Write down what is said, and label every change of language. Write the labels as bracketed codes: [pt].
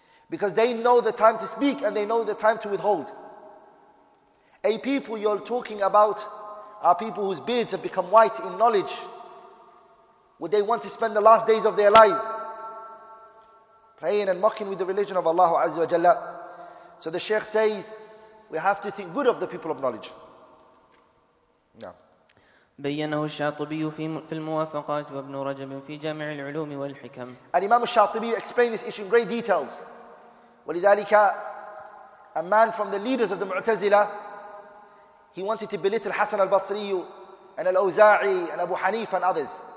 [en] Because they know the time to speak and they know the time to withhold. A people you're talking about are people whose beards have become white in knowledge. Would they want to spend the last days of their lives playing and mocking with the religion of Allah Azza wa Jalla? So the Shaykh says, We have to think good of the people of knowledge. [ar] بينه الشاطبي في الموافقات وابن رجب في جامع العلوم والحكم. [en] الإمام الشاطبي explained this issue in great details. [ar] ولذلك, [en] a man from the leaders of the Mu'tazila, he wanted to belittle Hassan al-Basri and al-Awza'i and Abu Hanifa and others.